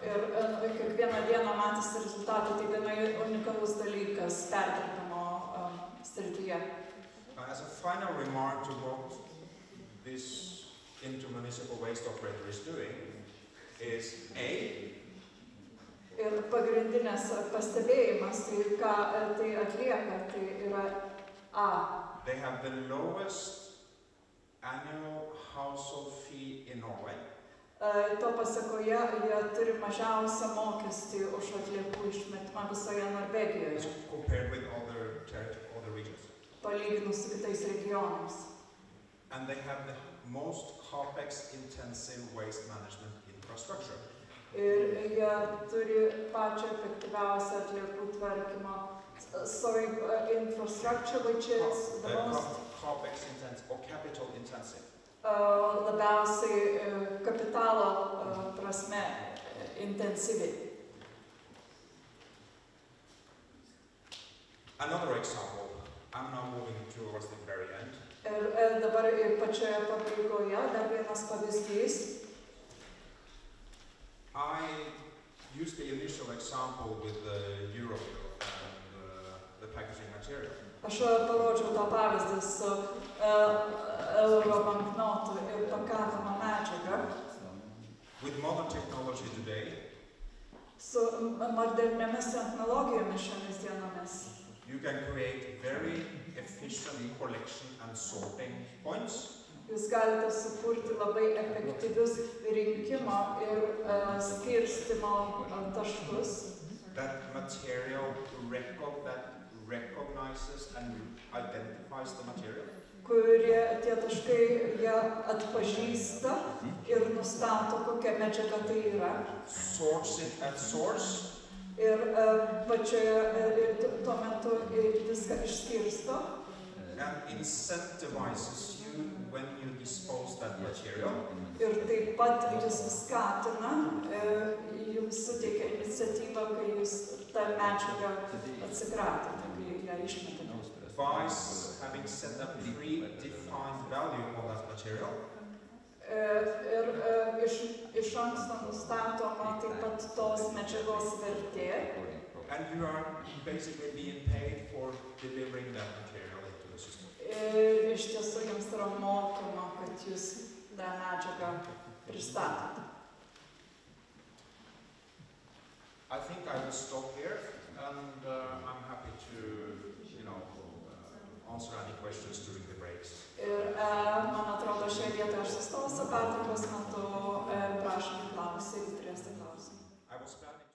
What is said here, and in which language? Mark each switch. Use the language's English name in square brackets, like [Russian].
[Lithuanian] Ir kiekvieną dieną matosi rezultatai, tai viena unikalus dalykas perdirbimo srityje. [English] As a final remark to what this intermunicipal waste operator is doing is A. [Lithuanian] Ir pagrindinės pastebėjimas, tai ką tai atlieka, tai yra A. [English] They have the lowest annual household fee in Norway. [Lithuanian] To pasakoje, jie turi mažiausią mokestį už atliekų išmetimą visoje Norvegijoje. [English] So compared with other regions. [Lithuanian] Palyginus su kitais regionais. [English] And they have the most CapEx intensive waste management infrastructure. [Lithuanian] Ir jie turi pačią efektyviausią atliekų tvarkymo [English] infrastructure, which is the most CapEx intensive or capital intensive. [Lithuanian] Labiausiai kapitalo prasme intensyvi. [English] Another example. I'm now moving towards the very end. [Lithuanian] Dabar ir pačioje pabaigoje dar vienas pavyzdys. [English] I used the initial example with the Europe and the packaging material. [Lithuanian] Aš parodžiau tą pavyzdį su euro banknotu ir pakavimo medžiaga. [English] With modern technology today. [Lithuanian] Su moderniomis technologijomis šiomis dienomis. [English] You can create very efficient collection and sorting points. [Lithuanian] Jūs galite sukurti labai efektyvius rinkimo ir skirstimo taškus. [English] That material record that recognizes and identifies the material. [Lithuanian] kurie tie taškai jie atpažįsta ir nustato, kokia medžiaga tai yra. [English] Sorts it at source. [Lithuanian] Ir pačioje tuo metu viską išskirsto. [English] And incentivizes you when you dispose that material. [Lithuanian] Ir taip pat jūs skatina, jums suteikia iniciatyvą, kai jūs tą medžiagą atsikratote, kai ją išmetate. [English] By having set a predefined value on that material. [Lithuanian] Ir iš anksto nustatoma taip pat tos medžiagos vertė. [English] And you are basically being paid for delivering that material into the system. [Lithuanian] Ir iš tiesų jums yra mokama, kad jūs tą medžiagą pristatote. [English] I think I will stop here and I'm happy to, you know, answer any questions during the breaks. [Lithuanian] Ir man atrodo, šioje vietoje aš sustosiu, pertraukos metu prašom klausimų, turėsite klausimų.